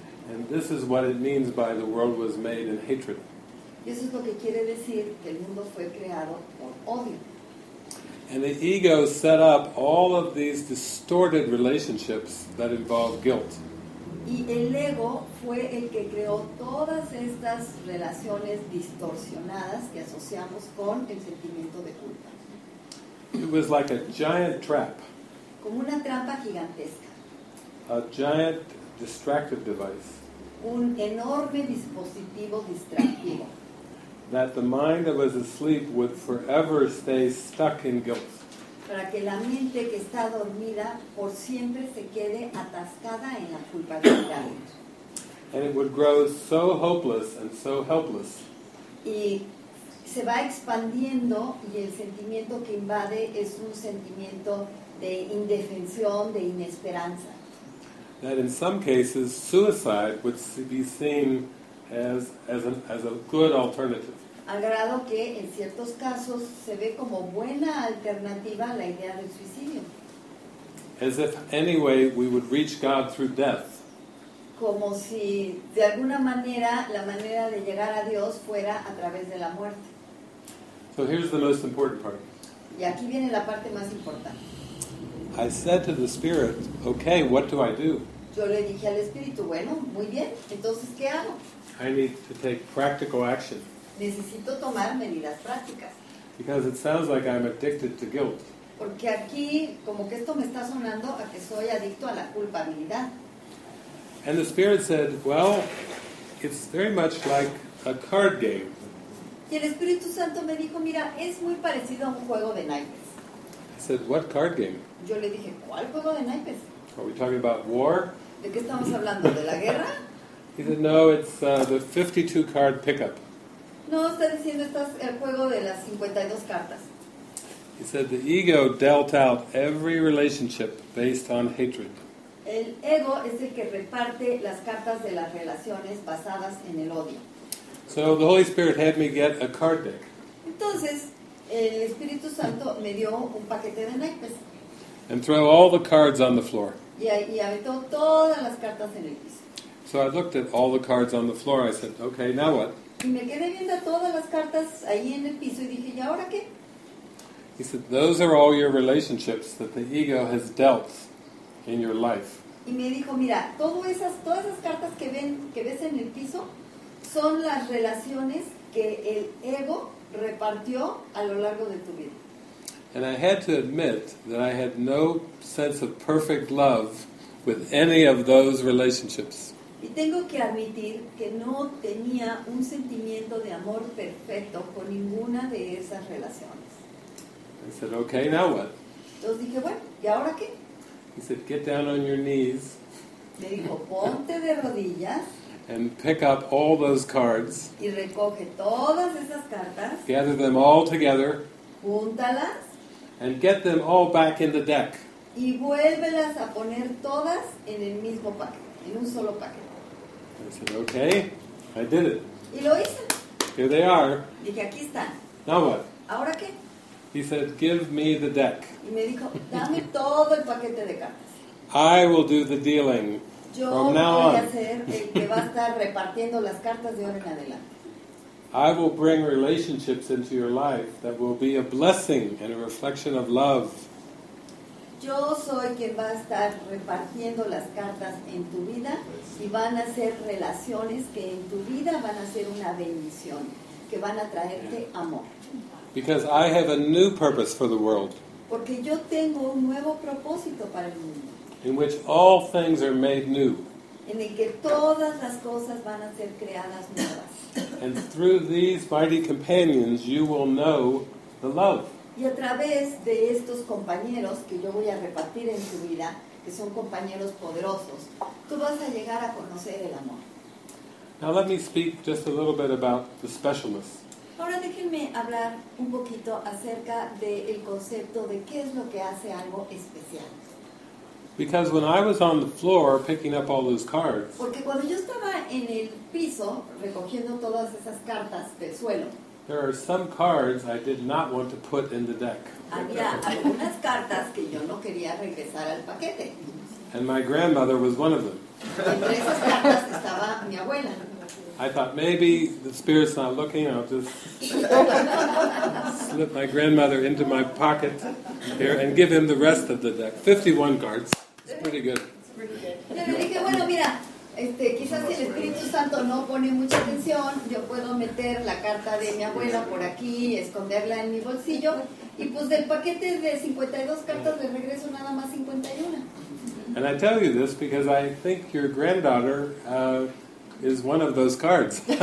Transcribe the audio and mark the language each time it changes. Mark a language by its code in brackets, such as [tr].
[en] And this is what it means by the world was made in hatred. [es] Y eso es lo que quiere decir que el mundo fue creado por odio. [en] And the ego set up all of these distorted relationships that involve guilt. [es] Y el ego fue el que creó todas estas relaciones distorsionadas que asociamos con el sentimiento de culpa. [en] It was like a giant trap. [es] Como una trampa gigantesca. [en] A giant distractive device. [es] Un enorme dispositivo distractivo. [en] That the mind that was asleep would forever stay stuck in guilt. [es] Para que la mente que está dormida por siempre se quede atascada en la culpabilidad. [en] And it would grow so hopeless and so helpless. [es] Y se va expandiendo y el sentimiento que invade es un sentimiento de indefensión, de inesperanza. [en] That in some cases suicide would be seen as a good alternative. [es] Al grado que en ciertos casos se ve como buena alternativa la idea del suicidio. [en] As if anyway we would reach God through death. [es] Como si de alguna manera la manera de llegar a Dios fuera a través de la muerte. [en] So here's the most important part. [es] Y aquí viene la parte más importante. [en] I said to the Spirit, okay, what do I do? [es] Yo le dije al Espíritu, bueno, muy bien, entonces ¿qué hago? [en] I need to take practical action. [es] Necesito tomar medidas prácticas. [en] Because it sounds like I'm addicted to guilt. [es] Porque aquí, como que esto me está sonando a que soy adicto a la culpabilidad. [en] And the Spirit said, well, it's very much like a card game. [es] Y el Espíritu Santo me dijo, mira, es muy parecido a un juego de naipes. [en] I said, what card game? [es] Yo le dije, ¿cuál juego de naipes? [en] Are we talking about war? [es] ¿De qué estamos hablando? ¿De la guerra? [en] He said, no, it's the 52 card pickup. [es] No, está diciendo, estás el juego de las 52 cartas. [en] He said, the ego dealt out every relationship based on hatred. [es] El ego es el que reparte las cartas de las relaciones basadas en el odio. [en] So the Holy Spirit had me get a card deck. [es] Entonces, el Espíritu Santo me dio un paquete de naipes. [en] And throw all the cards on the floor. [es] Y aventó todas las cartas en el piso. [en] So I looked at all the cards on the floor. I said, okay, now what? [es] Y me quedé viendo todas las cartas ahí en el piso y dije, ¿y ahora qué? [en] He said, those are all your relationships that the ego has dealt in your life. [es] Y me dijo, mira, todas esas cartas que ves en el piso son las relaciones que el ego repartió a lo largo de tu vida. [en] And I had to admit that I had no sense of perfect love with any of those relationships. [es] Y tengo que admitir que no tenía un sentimiento de amor perfecto con ninguna de esas relaciones. [en] I said, okay, now what? [es] Entonces dije, bueno, ¿y ahora qué? [en] He said, get down on your knees. [es] Me dijo, ponte de rodillas. [en] And pick up all those cards. [es] Y recoge todas esas cartas. [en] Gather them all together. [es] Júntalas. [en] And get them all back in the deck. [es] Y vuélvelas a poner todas en el mismo paquete, en un solo paquete. [en] I said, okay, I did it. [es] Y lo hice. [en] Here they are. [es] Dije, aquí están. [en] Now what? [es] Ahora qué? [en] He said, give me the deck. [es] Y me dijo, dame todo el paquete de cartas. [en] I will do the dealing. [es] Yo [en] from now [es] voy [en] on. [es] A ser el que va a estar repartiendo las cartas de ahora en adelante. [en] I will bring relationships into your life that will be a blessing and a reflection of love. [es] Yo soy quien va a estar repartiendo las cartas en tu vida y van a ser relaciones que en tu vida van a ser una bendición, que van a traerte amor. [en] Because I have a new purpose for the world. [es] Porque yo tengo un nuevo propósito para el mundo. [en] In which all things are made new. [es] En el que todas las cosas van a ser creadas nuevas. [en] And through these mighty companions, you will know the love. [es] Y a través de estos compañeros que yo voy a repartir en tu vida, que son compañeros poderosos, tú vas a llegar a conocer el amor. [en] Now let me speak just a little bit about the specialness. [es] Ahora déjenme hablar un poquito acerca del concepto de qué es lo que hace algo especial. [en] Because when I was on the floor picking up all those cards, [es] porque cuando yo estaba en el piso recogiendo todas esas cartas del suelo, [en] there are some cards I did not want to put in the deck. [es] Había algunas cartas que yo no quería regresar al paquete. [en] And my grandmother was one of them. [es] Entre esas cartas estaba mi abuela. [en] I thought maybe the spirit's not looking, I'll just slip my grandmother into my pocket here and give him the rest of the deck. 51 cards. It's pretty good. It's pretty good. [es] Yo le dije, bueno, mira, quizás si el Espíritu Santo no pone mucha atención, yo puedo meter la carta de mi abuela por aquí, esconderla en mi bolsillo, y pues del paquete de 52 cartas le regreso nada más 51. [en] And I tell you this because I think your granddaughter is one of those cards.